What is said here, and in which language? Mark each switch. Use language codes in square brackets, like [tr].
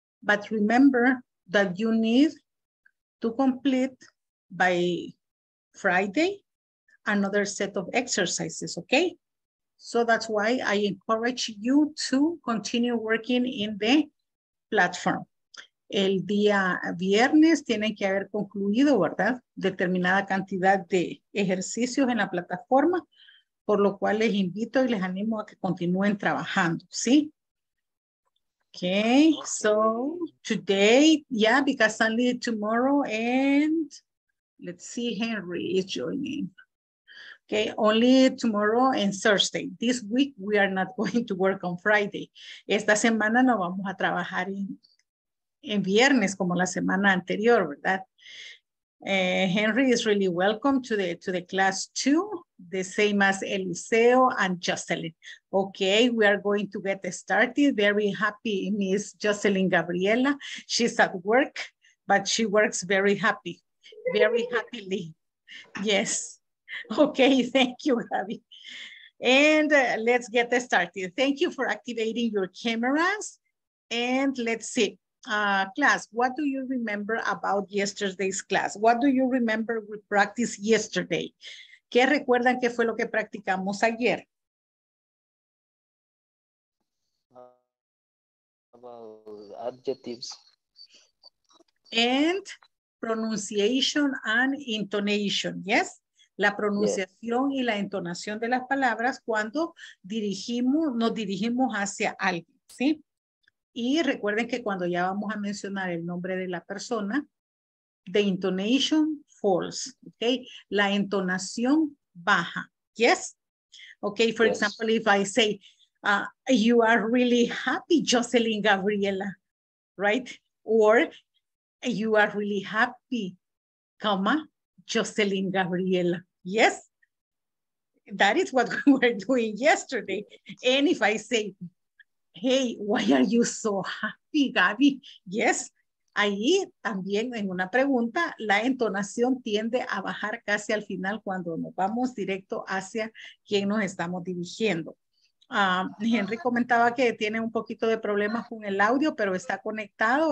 [en] But remember that you need to complete by Friday another set of exercises, okay? So that's why I encourage you to continue working in the platform. [es] El día viernes tienen que haber concluido, ¿verdad? Determinada cantidad de ejercicios en la plataforma, por lo cual les invito y les animo a que continúen trabajando, ¿sí? [en] Okay, so today, yeah, because only tomorrow and let's see, Henry is joining. Okay, only tomorrow and Thursday. This week we are not going to work on Friday. [es] Esta semana no vamos a trabajar en viernes como la semana anterior, ¿verdad? [en] Henry is really welcome to the class too, the same as Eliseo and Jocelyn. Okay, we are going to get started. Very happy, Miss Jocelyn Gabriela. She's at work, but she works very happy, very happily. Yes. Okay, thank you, Gabby. And let's get started. Thank you for activating your cameras. And let's see. Class, what do you remember about yesterday's class? What do you remember we practiced yesterday? ¿Qué recuerdan que fue lo que practicamos ayer? About adjectives. And pronunciation and intonation, yes? [es] La pronunciación, yes, y la entonación de las palabras cuando dirigimos, nos dirigimos hacia alguien, ¿sí? Y recuerden que cuando ya vamos a mencionar el nombre de la persona, the intonation falls, ¿ok? [en] La entonación baja, ¿yes? Ok, for yes. Example, if I say, you are really happy, Jocelyn Gabriela, right? Or, you are really happy, comma, Jocelyn Gabriela, yes? That is what we were doing yesterday. And if I say, hey, why are you so happy, Gabby? [es] Yes, ahí también en una pregunta, la entonación tiende a bajar casi al final cuando nos vamos directo hacia quien nos estamos dirigiendo. Henry comentaba que tiene un poquito de problemas con el audio, pero está conectado.